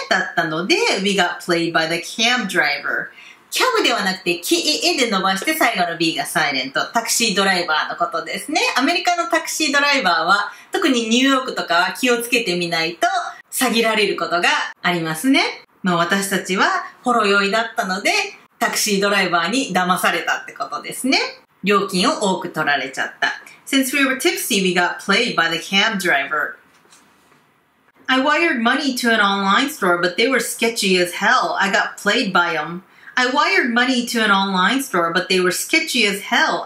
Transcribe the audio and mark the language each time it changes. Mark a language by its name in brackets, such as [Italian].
[English] だったので、 we got played by the cab driver. [Japanese] Cab ではなくて、K-E-E で伸ばして最後の B がサイレント。タクシードライバーのことですね。アメリカのタクシードライバーは、特にニューヨークとかは気をつけてみないと、詐欺られることがありますね。まあ私たちはほろ酔いだったので、タクシードライバーに騙されたってことですね。料金を多く取られちゃった。 [English] Since we were tipsy, we got played by the cab driver. I wired money to an online store, but they were sketchy as hell. I got played by them. I wired money to an online store, but they were sketchy as hell.